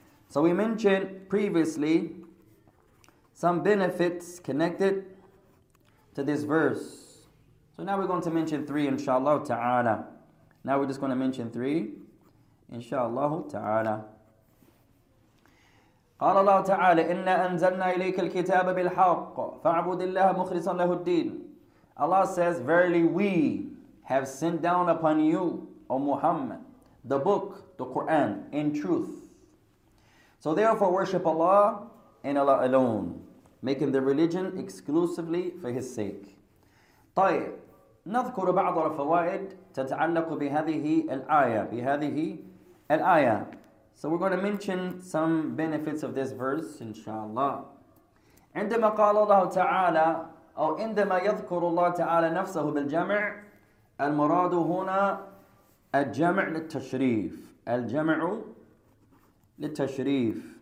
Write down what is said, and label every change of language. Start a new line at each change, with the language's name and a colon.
English: So we mentioned previously some benefits connected to this verse. So now we're going to mention three, inshallah ta'ala. Now we're just going to mention three, inshallah ta'ala.
Arabic: قال الله تعالى إنا أنزلنا إليك الكتاب بالحق فاعبد الله مخلصا له الدين.
English: Allah says, verily we have sent down upon you, O Muhammad, the book, the Quran, in truth. So therefore worship Allah and Allah alone, making the religion exclusively for His sake.
Arabic: طيب نذكر بعض الفوائد تتعلق بهذه الآية بهذه الآية.
English: So we're going to mention some benefits of this verse, inshallah.
Arabic: عندما قال الله تعالى أو عندما يذكر الله تعالى نفسه بالجمع المراد هنا الجمع للتشريف الجمع للتشريف.